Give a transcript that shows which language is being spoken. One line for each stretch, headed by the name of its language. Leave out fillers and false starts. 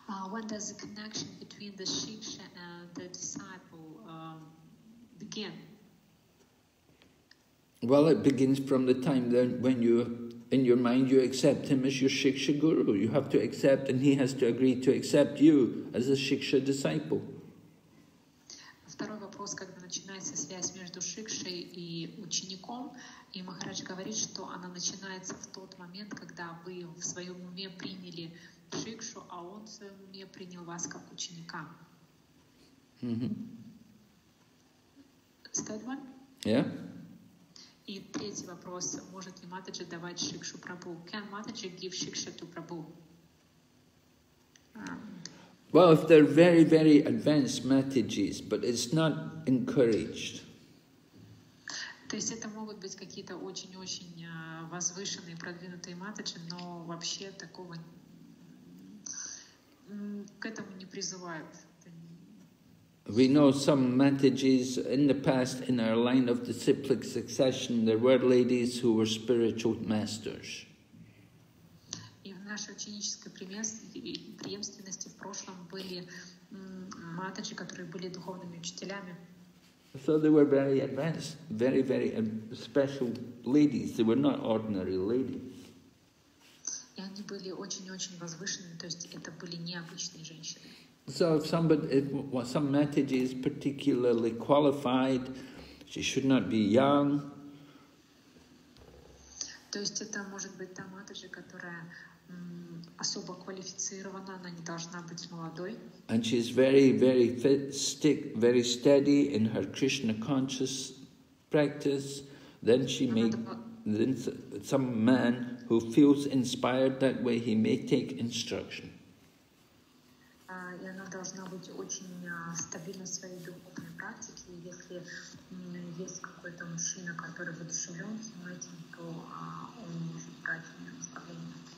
English: When does the connection between the shiksha and the disciple begin? Well, it begins from the time then when you, in your mind, you accept him as your shiksha guru. You have to accept, and he has to agree to accept you as a shiksha disciple.
Russian: Второй вопрос, когда начинается связь между шикшей и учеником. И Махарадж говорит, что она начинается в тот момент, когда вы в своем уме приняли шикшу, а он в своем уме принял вас как ученика. Стоит mm-hmm.
English: One? Yeah.
Russian: И третий вопрос. Может ли Матаджи давать шикшу Прабу?
English: Can Матаджи give шикшу to Прабу? Well, if they're very, very advanced Matajis, but it's not encouraged.
Russian: То есть это могут быть какие-то очень-очень возвышенные, продвинутые матаджи, но вообще такого к этому не призывают.
English: We know some matajis in the past in our line of the cyclic succession, there were ladies who were spiritual masters.
Russian: И в нашей ученической преемственности в прошлом были матаджи, которые были духовными учителями.
English: So they were very advanced, very, very special ladies. They were not ordinary ladies.
Russian: И они были очень-очень возвышенные, то есть это были необычные женщины.
English: So if somebody, if some Mataji is particularly qualified, she should not be young.
Russian: То есть это может быть та Mataji, которая особо квалифицирована, она не должна быть молодой.
English: And she is very, very fit, stick, very steady in her Krishna conscious practice. Then she may, then some man who feels inspired that way, he may take instruction.
Russian: И она должна быть очень стабильна в своей духовной практике. Если есть какой-то мужчина, который воодушевлен всем этим, то он может брать у нее наставление.